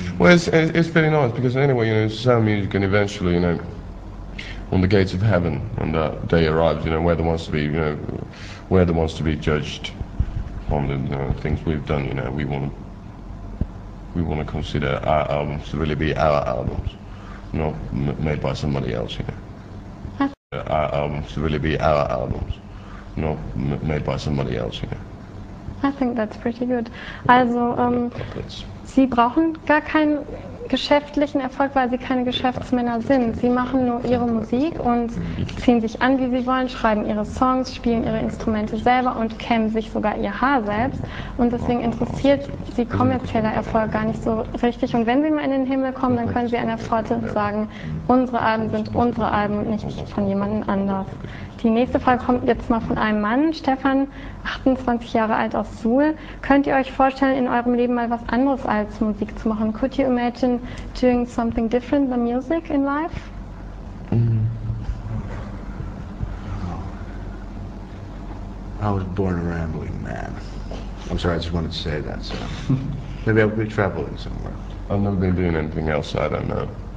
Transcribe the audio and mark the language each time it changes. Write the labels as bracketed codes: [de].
[en] Well, it's pretty nice because anyway, you know, sound music and eventually, you know, on the gates of heaven when that day arrives, you know, we're the ones to be judged on the things we've done. You know, we want to consider our albums to really be our albums, not made by somebody else. You know, our albums to really be our albums, not made by somebody else. You know. I think that's pretty good. [de] Also, Sie brauchen gar keinen geschäftlichen Erfolg, weil Sie keine Geschäftsmänner sind. Sie machen nur Ihre Musik und ziehen sich an, wie Sie wollen, schreiben Ihre Songs, spielen Ihre Instrumente selber und kämmen sich sogar Ihr Haar selbst. Und deswegen interessiert Sie kommerzieller Erfolg gar nicht so richtig. Und wenn Sie mal in den Himmel kommen, dann können Sie an der Pforte sagen, unsere Alben sind unsere Alben und nicht von jemand anders. Die nächste Frage kommt jetzt mal von einem Mann, Stefan, 28 Jahre alt aus Suhl. Könnt ihr euch vorstellen, in eurem Leben mal was anderes als Musik zu machen? [en] Could you imagine doing something different than music in life? I was born a rambling man. I'm sorry, I just wanted to say that. So maybe I'll be traveling somewhere. I've never been doing anything else, I don't know.